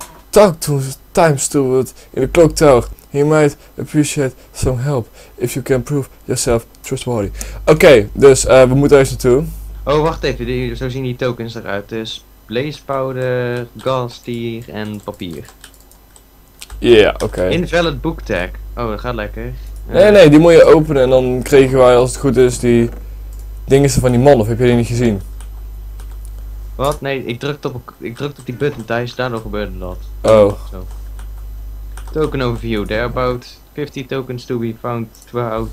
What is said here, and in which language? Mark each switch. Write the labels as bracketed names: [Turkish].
[English] Talk to time steward in the clock tower. He might appreciate some help. If you can prove yourself trustworthy. [Dutch] Oké, dus we moeten eerst naartoe. Oh, wacht even. Zo zien die tokens eruit. Dus blaze powder, gastier en papier. Ja, yeah, oké. [English] Invalid book tag. [Dutch] Oh, dat gaat lekker. Nee, die moet je openen en dan kregen wij, als het goed is, die dingen van die man, of heb je die niet gezien? Wat? Nee, ik drukte op die button thuis, daardoor gebeurde dat. Oh. Zo. [English] Token overview, there about 50 tokens to be found throughout.